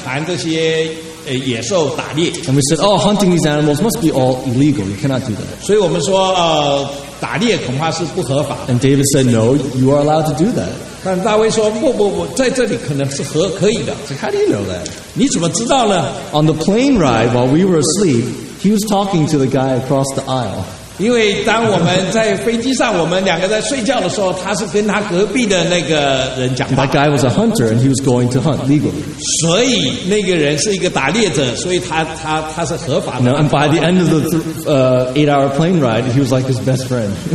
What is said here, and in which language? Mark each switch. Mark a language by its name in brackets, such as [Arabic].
[Chinese] 所以在我们到非洲的时候，我们在那里谈这些野兽打猎。 [English] And we said, "Oh, hunting these animals must be all illegal. You cannot do that." [Chinese] 所以我们说，打猎恐怕是不合法。 [English] And David said, "No, you are allowed to do that." [Chinese] 但大卫说，不，在这里可能是可以的。 [English] So how do you know that? [Chinese] 你怎么知道呢？ [English] On the plane ride while we were asleep, he was talking to the guy across the aisle. [Chinese] 因为当我们在飞机上，我们两个在睡觉的时候，他是跟他隔壁的那个人讲话。 [English] That guy was a hunter, and he was going to hunt legally. [Chinese] 所以那个人是一个打猎者，所以他是合法的。 [English] No, and by the end of the eight-hour plane ride, he was like his best friend.